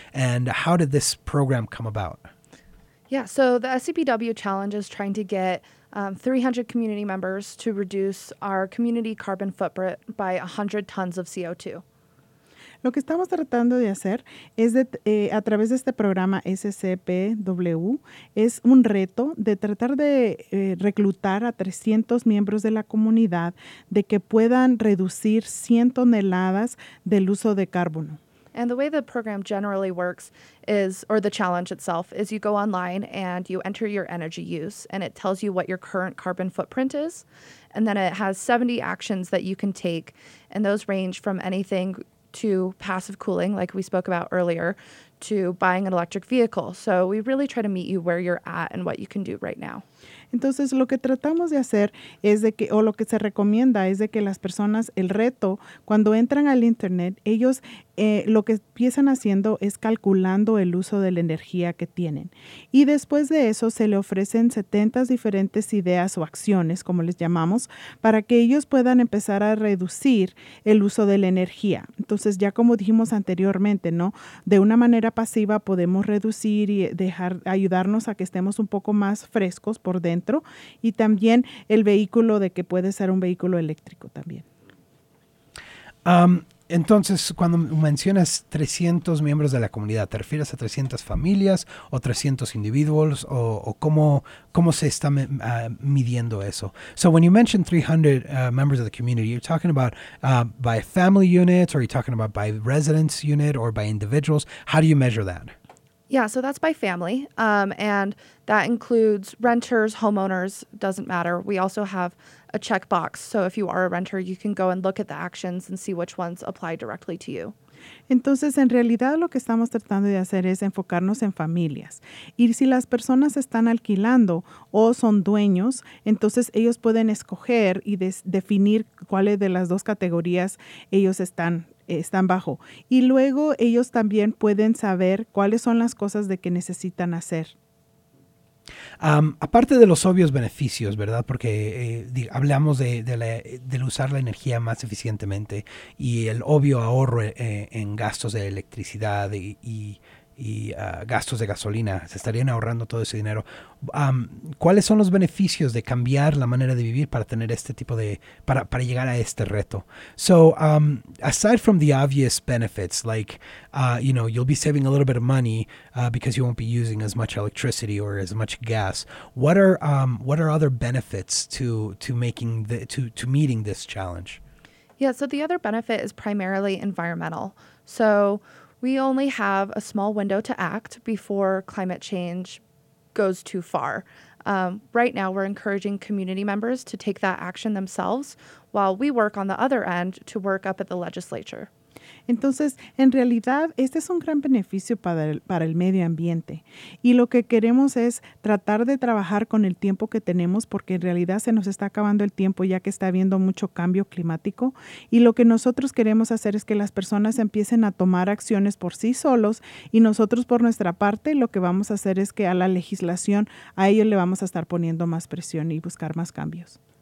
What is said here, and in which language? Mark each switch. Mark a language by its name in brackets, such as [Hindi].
[English] And how did this program come about? Yeah, so the SCPW Challenge is trying to get 300 community members to reduce our community carbon footprint by 100 tons of CO2. [Spanish] Lo que estamos tratando de hacer es de, a través de este programa SCPW, es un reto de tratar de reclutar a 300 miembros de la comunidad de que puedan reducir 100 toneladas del uso de carbono. [English] And the way the program generally works is, or the challenge itself, is you go online and you enter your energy use and it tells you what your current carbon footprint is. And then it has 70 actions that you can take. And those range from anything to passive cooling, like we spoke about earlier, to buying an electric vehicle. So we really try to meet you where you're at and what you can do right now. [Spanish] Entonces, lo que tratamos de hacer es de que, o lo que se recomienda es de que las personas, el reto, cuando entran al internet, ellos lo que empiezan haciendo es calculando el uso de la energía que tienen. Y después de eso, se le ofrecen 70 diferentes ideas o acciones, como les llamamos, para que ellos puedan empezar a reducir el uso de la energía. Entonces, ya como dijimos anteriormente, ¿no? De una manera pasiva podemos reducir y dejar, ayudarnos a que estemos un poco más frescos por dentro, y también el vehículo de que puede ser un vehículo eléctrico también. Entonces, cuando mencionas 300 miembros de la comunidad, ¿te refieres a 300 familias o 300 individuos o cómo se está midiendo eso? [English] So when you mention 300 members of the community, you're talking about by family units, or are you talking about by residence unit or by individuals? How do you measure that? Yeah, so that's by family, and that includes renters, homeowners, doesn't matter. We also have a checkbox, so if you are a renter, you can go and look at the actions and see which ones apply directly to you. [Spanish] Entonces, en realidad, lo que estamos tratando de hacer es enfocarnos en familias. Y si las personas están alquilando o son dueños, entonces ellos pueden escoger y definir cuáles de las dos categorías ellos están bajo. Y luego ellos también pueden saber cuáles son las cosas de que necesitan hacer. Aparte de los obvios beneficios, ¿verdad? Porque hablamos de usar la energía más eficientemente y el obvio ahorro en gastos de electricidad y gastos de gasolina. Se estarían ahorrando todo ese dinero. ¿Cuáles son los beneficios de cambiar la manera de vivir para tener este tipo de, para llegar a este reto? [English] So, aside from the obvious benefits, like, you know, you'll be saving a little bit of money because you won't be using as much electricity or as much gas. What are other benefits to meeting this challenge? Yeah, so the other benefit is primarily environmental. So we only have a small window to act before climate change goes too far. Right now, we're encouraging community members to take that action themselves while we work on the other end to work up at the legislature. [Spanish] Entonces, en realidad, este es un gran beneficio para el medio ambiente. Y lo que queremos es tratar de trabajar con el tiempo que tenemos, porque en realidad se nos está acabando el tiempo ya que está habiendo mucho cambio climático. Y lo que nosotros queremos hacer es que las personas empiecen a tomar acciones por sí solos, y nosotros por nuestra parte lo que vamos a hacer es que a la legislación, a ellos le vamos a estar poniendo más presión y buscar más cambios.